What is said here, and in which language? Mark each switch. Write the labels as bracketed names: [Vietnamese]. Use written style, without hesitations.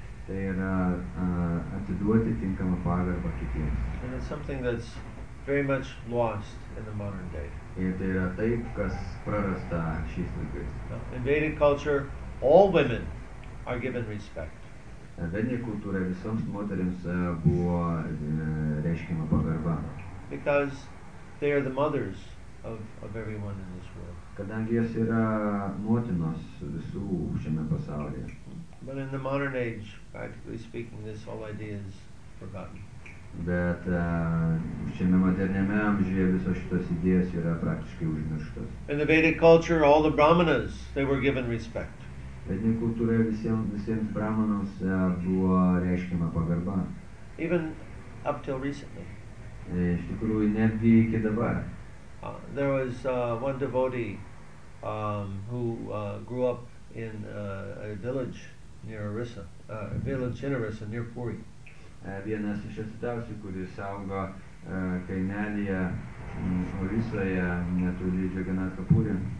[Lithuanian] Tai yra atiduoti tinkamą pagarbą kitiems. [English] And it's something that's very much lost in the modern day. [Lithuanian] Ir tai yra taip, kas prarasta šiais laikais. [English] In Vedic culture, all women are given respect. [Lithuanian] Vedinė kultūra visoms moterims buvo reiškiama pagarba. [English] Because they are the mothers of everyone in this world. [Lithuanian] Kadangi jos yra motinos visų šiame pasaulyje. [English] But in the modern age, practically speaking, this whole idea is forgotten. [Lithuanian] Bet šiame moderniame amžiuje visos šitos idėjos yra praktiškai užmirštos. [English] In the Vedic culture, all the brahmanas, they were given respect. [Lithuanian] Vedinė kultūra visiems brahmanams buvo reiškiama pagarba. [English] Even up till recently. [Lithuanian] Iš tikrųjų, netgi iki dabar. [English] There was one devotee who grew up in a village near Orissa, a village in Orissa near Puri. [Lithuanian] Vienas iš atsitavusių, kuris augo kaimelyje Orisoje, netoli Jagannatha Puri.